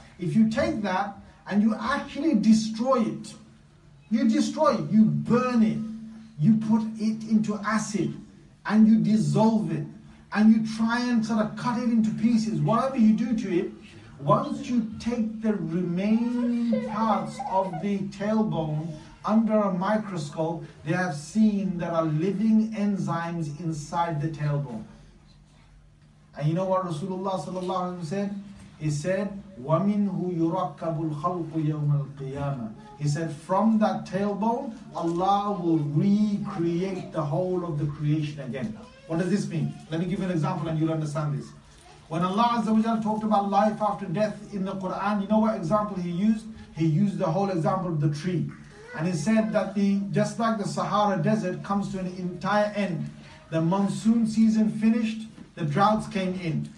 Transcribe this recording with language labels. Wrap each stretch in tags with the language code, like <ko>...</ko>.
<en>If you take that and you actually destroy it, you destroy it, you burn it, you put it into acid, and you dissolve it, and you try and sort of cut it into pieces, whatever you do to it, once you take the remaining parts of the tailbone under a microscope, they have seen there are living enzymes inside the tailbone. And you know what Rasulullah sallallahu alaihi wasallam said? He said,</en> <ar>وَمِنْهُ يُرَكَّبُ الْخَلْقُ يَوْمَ الْقِيَامَةِ.</ar> <en>He said, from that tailbone, Allah will recreate the whole of the creation again. What does this mean? Let me give you an example and you'll understand this. When Allah Azza wa Jalla talked about life after death in the Quran, you know what example He used? He used the whole example of the tree. And He said that just like the Sahara Desert comes to an entire end, the monsoon season finished, the droughts came in.</en>